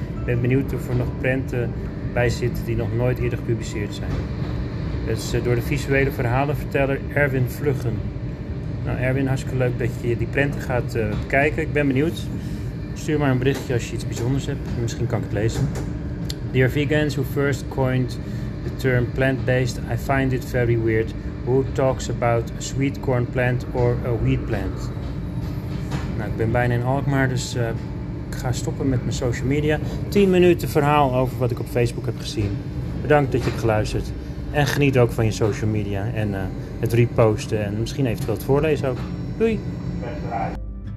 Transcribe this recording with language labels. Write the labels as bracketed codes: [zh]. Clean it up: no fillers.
[nl] Ik ben benieuwd of er nog prenten bij zitten die nog nooit eerder gepubliceerd zijn. Dat is door de visuele verhalenverteller Erwin Vluggen. Nou, Erwin, hartstikke leuk dat je die prenten gaat bekijken. Ik ben benieuwd. Stuur maar een berichtje als je iets bijzonders hebt. Misschien kan ik het lezen. [en] Dear vegans who first coined the term plant-based, I find it very weird. Who talks about a sweet corn plant or a wheat plant? [nl] Nou, ik ben bijna in Alkmaar, dus ik ga stoppen met mijn social media. 10 minuten verhaal over wat ik op Facebook heb gezien. Bedankt dat je hebt geluisterd. En geniet ook van je social media en het reposten en misschien eventueel het voorlezen ook. Doei!